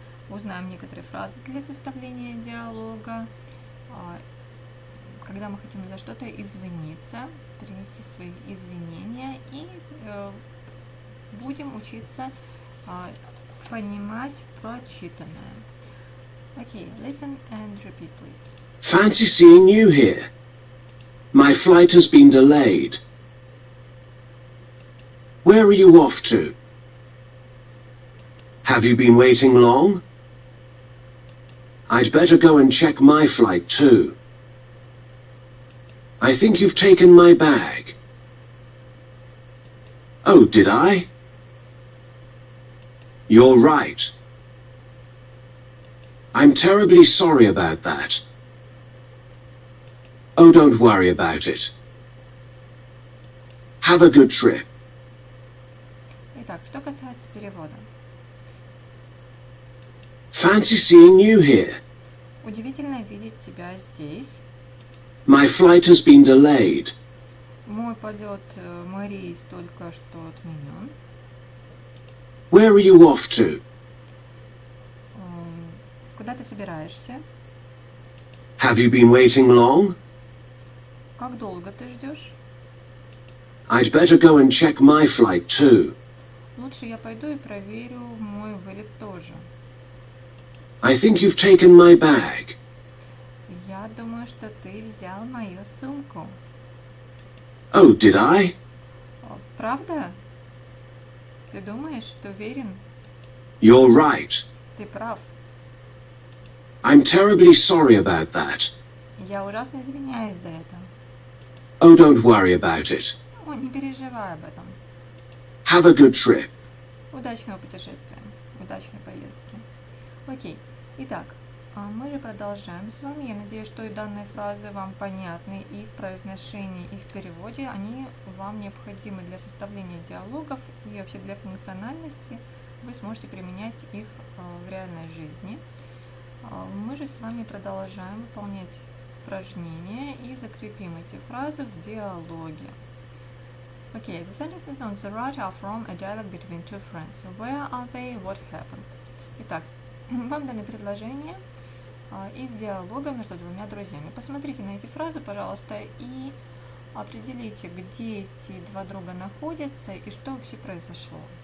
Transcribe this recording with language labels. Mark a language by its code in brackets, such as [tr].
[ru] Узнаем некоторые фразы для составления диалога. Когда мы хотим за что-то извиниться, принести свои извинения. И будем учиться понимать прочитанное. [en] Okay, listen and repeat, please. Fancy seeing you here. My flight has been delayed. Where are you off to? Have you been waiting long? I'd better go and check my flight too. I think you've taken my bag. Oh, did I? You're right. I'm terribly sorry about that. Oh, don't worry about it. Have a good trip. [ru] Итак, что касается перевода. [en] Fancy seeing you here. [ru] Удивительно видеть тебя здесь. [en] My flight has been delayed. [ru] Мой полет, мой рейс только что отменен. [en] Where are you off to? [ru] Куда ты собираешься? [en] Have you been waiting long? [ru] Как долго ты ждешь? [en] I'd better go and check my flight too. [ru] Лучше я пойду и проверю мой вылет тоже. [en] I think you've taken my bag. [ru] Я думаю, что ты взял мою сумку. [en] Oh, did I? [ru] Правда? Ты думаешь, ты уверен? [en] You're right. [ru] Ты прав. [en] I'm terribly sorry about that. [ru] Я ужасно извиняюсь за это. [en] Oh, don't worry about it. [ru] О, не переживай об этом. [en] Have a good trip. [ru] Удачного путешествия. Удачной поездки. Окей. Итак, мы же продолжаем с вами. Я надеюсь, что и данные фразы вам понятны, и в произношении, и в переводе. Они вам необходимы для составления диалогов и вообще для функциональности. Вы сможете применять их в реальной жизни. Мы же с вами продолжаем выполнять упражнения и закрепим эти фразы в диалоге. [en] Okay, the sentences on the right are from a dialogue between two friends. Where are they? What happened? [ru] Итак, вам дано предложение из диалога между двумя друзьями. Посмотрите на эти фразы, пожалуйста, и определите, где эти два друга находятся и что вообще произошло.